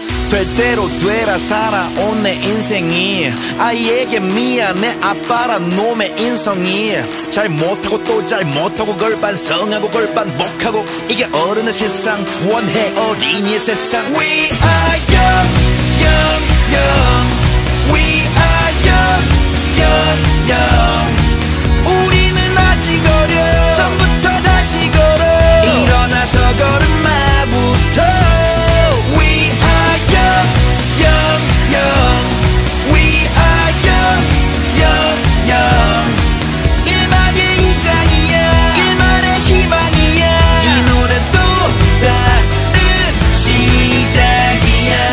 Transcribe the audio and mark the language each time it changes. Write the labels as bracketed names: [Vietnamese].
[Korean] 될 대로 되라 살아온 내 인생이 아이에게 미안해 아빠란 놈의 인성이 잘못하고 또 잘못하고 그걸 반성하고 그걸 반복하고 이게 어른의 세상 원해 어린이의 세상. [English] We are young young young. We are young young young. [Korean] 우리는 아직 어려 전부터 다시 걸어 일어나서 걸음마부터. [English] We are young, young, young. We are young, young, young. [Korean] 일말의 이장이야 일말의 희망이야 이 노래 또 다른 시작이야.